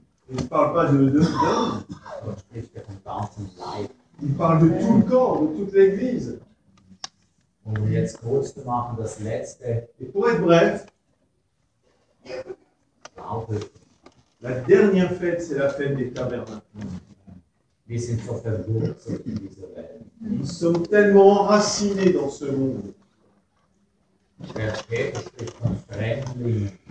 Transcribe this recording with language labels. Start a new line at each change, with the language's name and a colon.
French: Il ne parle pas d'un. Il parle de tout le corps, de toute l'Église. Et pour être bref, la dernière fête, c'est la fête des tabernacles.
German: Wir sind so verwurzelt in dieser Welt.
French: Nous sommes tellement enracinés dans ce monde.
German: Der Pierre spricht von Fremdling.